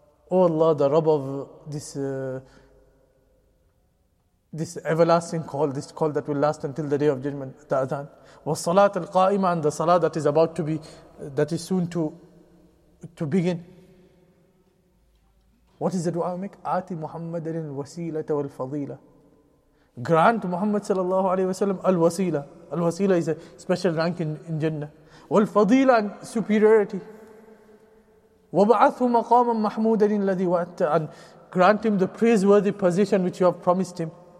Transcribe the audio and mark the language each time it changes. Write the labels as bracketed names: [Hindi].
[English] Oh Allah, the Rabb of this everlasting call, this call that will last until the day of judgment, the adhan. [Arabic] والصلاة القائمة, [English] and the salah that is about to be, that is soon to begin. What is the dua we make? [Arabic] آتي محمد الوسيلة والفضيلة. [English] Grant Muhammad sallallahu alayhi wa sallam al-wasila. Al-wasila is a special rank in Jannah. Wal-fadila, and superiority. [Arabic] Wab'athu maqaman mahmoodan alladhi wa'ata, [English] and grant him the praiseworthy position which you have promised him.